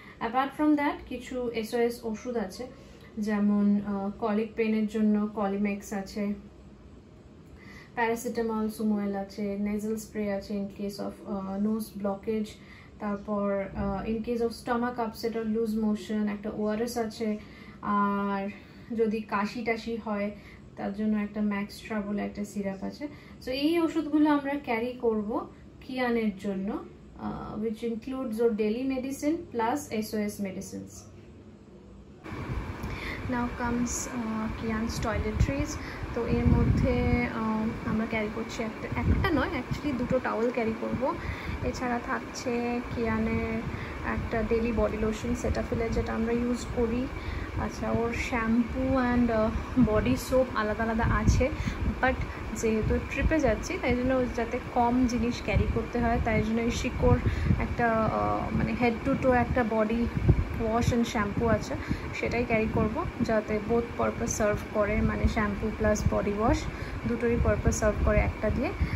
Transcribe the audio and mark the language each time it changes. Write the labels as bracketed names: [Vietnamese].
[English] apart from that [Bangla] কিছু SOS ওষুধ আছে, যেমন কলিক পেনের জন্য কলিমেক্স আছে, প্যারাসিটামল সুময়েল আছে, নেজাল স্প্রে আছে [English] in case of nose blockage, [Bangla] তারপর [English] in case of stomach upset or loose motion [Bangla] একটা ORS আছে, আর যদি কাশি টাশি হয় তার জন্য একটা ম্যাক্স ট্রাবল একটা সিরাপ আছে। সো এই ওষুধগুলো আমরা ক্যারি করব কিয়ানের জন্য [English] which includes your daily medicine plus SOS medicines. Now comes Kian's toiletries. [Bangla] তো এর মধ্যে আমরা ক্যারি করছি একটা নয় অ্যাকচুয়ালি দুটো টাওয়েল ক্যারি করব। এছাড়া থাকছে কিয়ানের একটা ডেলি বডি লোশন সেটা ফেলে যেটা আমরা ইউজ করি। আচ্ছা ওর শ্যাম্পু অ্যান্ড বডি সোপ আলাদা আলাদা আছে, বাট যেহেতু ট্রিপে যাচ্ছি তাই জন্য যাতে কম জিনিস ক্যারি করতে হয় তাই জন্য শিকোর একটা মানে [English] head to toe [Bangla] একটা বডি ওয়াশ অ্যান্ড শ্যাম্পু আছে সেটাই ক্যারি করব, যাতে বোথ পারপাস সার্ভ করে, মানে শ্যাম্পু প্লাস বডি ওয়াশ দুটোরই পারপাস সার্ভ করে একটা দিয়ে।